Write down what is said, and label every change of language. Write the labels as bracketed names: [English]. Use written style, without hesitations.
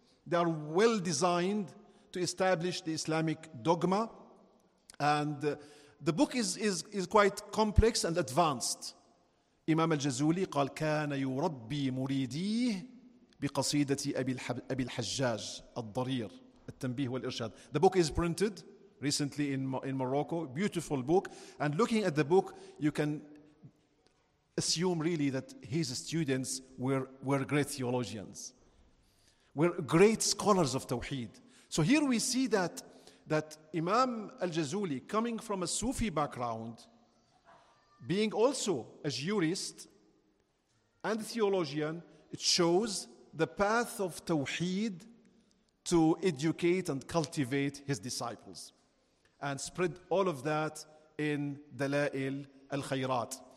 [English] They are well designed to establish the Islamic dogma, and the book is quite complex and advanced. [Arabic] Imam al-Jazūlī قال كان يربي مريديه بقصيدة أبي الحجاج الضرير التنبيه والإرشاد. [English] The book is printed recently in Morocco. Beautiful book. And looking at the book, you can assume really that his students were great theologians, were great scholars of Tawheed. So here we see that Imam al-Jazūlī, coming from a Sufi background, being also a jurist and a theologian, it shows the path of Tawheed to educate and cultivate his disciples and spread all of that in Dalāʾil al-Khayrāt.